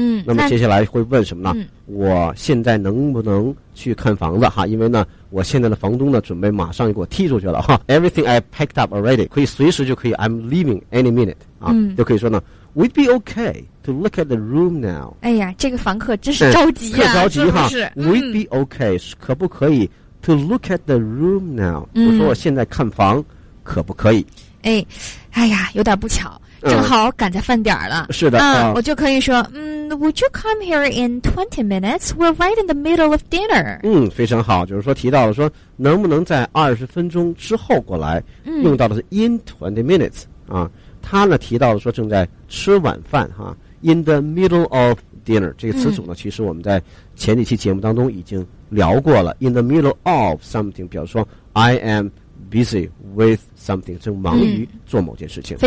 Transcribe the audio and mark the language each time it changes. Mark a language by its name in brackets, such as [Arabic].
[Chinese] 那么接下来会问什么呢？我现在能不能去看房子哈？因为呢，我现在的房东呢，准备马上给我踢出去了哈。 [English] Everything I packed up already， [Chinese] 可以随时就可以 [English] ，I'm leaving any minute [Chinese] 啊，就可以说呢 [English] ，We'd be okay to look at the room now。 [Chinese] 哎呀，这个房客真是着急呀、啊，特着急哈。是是 We'd be okay，可不可以 to look at the room now？我说我现在看房，可不可以？哎呀，有点不巧。正好赶在饭点了，是的， [English] 我就可以说，Would you come here in 20 minutes? We're right in the middle of dinner. [Chinese] 非常好，就是说提到了说能不能在20分钟之后过来，用到的是 in 20 minutes 啊，他呢提到了说正在吃晚饭哈、 [English] in the middle of dinner [Chinese] 这个词组呢，其实我们在前几期节目当中已经聊过了 ，in the middle of something， 比如说 [English] I am busy with something， [Chinese] 正忙于做某件事情，